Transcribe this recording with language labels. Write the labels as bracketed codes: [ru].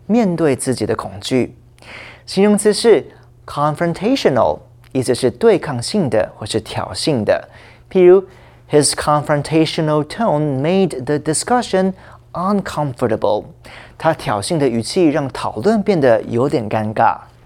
[zh] 她必须在登台表演前面对自己的恐惧。形容词是 confrontational, 意思是对抗性的或是挑衅的。 [en] 譬如, his confrontational tone made the discussion uncomfortable. [zh] 他挑衅的语气让讨论变得有点尴尬。